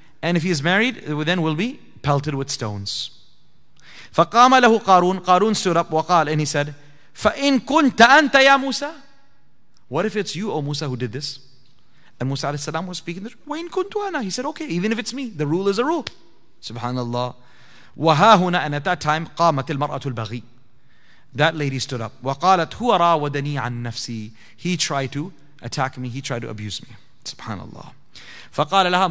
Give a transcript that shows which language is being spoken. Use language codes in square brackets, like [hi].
[en] And if he is married, then will be pelted with stones. [ar] فقام له قارون. قارون [en] stood up [ar] وقال, [en] and he said, [ar] فإن كنت أنت يا موسى. [en] What if it's you, O Musa, who did this? And Musa alayhi salam was speaking. [ar] وإن كنت أنا. [en] He said, okay, even if it's me, the rule is a rule. Subhanallah. [ar] وها هنا. [en] And at that time, [ar] قامت المرأة البغي. [en] That lady stood up. [ar] وقالت هو راودني عن نفسي. [en] He tried to attack me. He tried to abuse me. Subhanallah. [ar] فقال لها.